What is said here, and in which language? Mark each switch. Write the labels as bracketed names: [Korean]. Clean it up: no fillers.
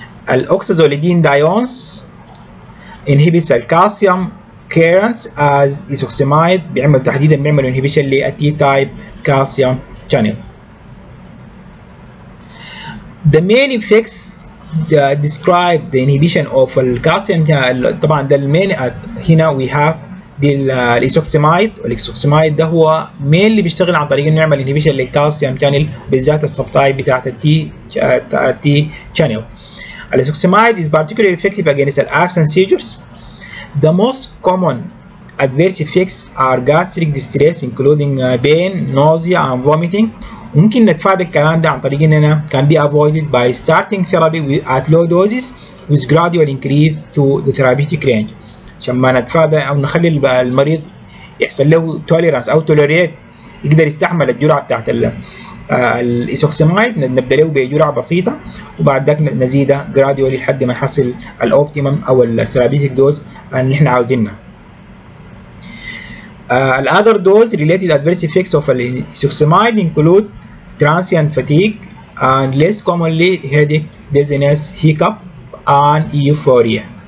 [English] الأوكسازوليدين ديونز inhibits الكالسيوم currents as isoximide, [Arabic] بيعمل تحديدا بيعمل [English] inhibition T-type calcium channel. The main effects describe the inhibition of calcium. [Arabic] طبعا ده المين, هنا [English] we have [Arabic] دي الإسوكسيمايد, والإسوكسيمايد ده هو مين اللي بيشتغل عن طريق انه يعمل inhibition للكالسيوم channel, بالذات السبتايب بتاعت التي channel. [English] الإسوكسيمايد is particularly effective against the acts and seizures. The most common adverse effects are gastric distress, including pain, nausea, and vomiting. [Arabic] ممكن نتفادى الكلام ده عن طريق إننا [English] can be avoided by starting therapy at low doses with gradual increase to the therapeutic range. [Arabic] عشان ما نتفادى أو نخلي المريض يحصل له tolerance أو tolerate, يقدر يستحمل الجرعة بتاعت الإسوكسيمايد, نبدأ له بجرعة بسيطة وبعد ذلك نزيدها gradual لحد ما نحصل الأوبتيمم أو الثيرابيتيك دوز اللي إحنا عاوزينها. [English] Other dose related adverse effects of isoximide include transient fatigue and less commonly headache, dizziness, hiccup and euphoria.